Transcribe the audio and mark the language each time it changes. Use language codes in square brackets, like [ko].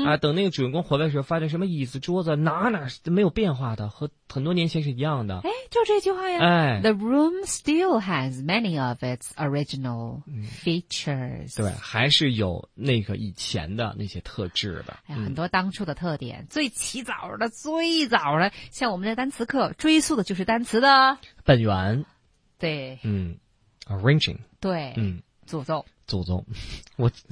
[zh] 等那个主人公回来的时候，发现什么椅子、桌子哪没有变化的，和很多年前是一样的。哎，就这句话呀。哎 [en] ，The room still has many of its original features。 [zh] 对，还是有那个以前的那些特质的。哎呀，很多当初的特点，最起早的、最早的，像我们的单词课追溯的就是单词的本源。对。 [en] Arranging。 [zh] 对。祖宗。祖宗，我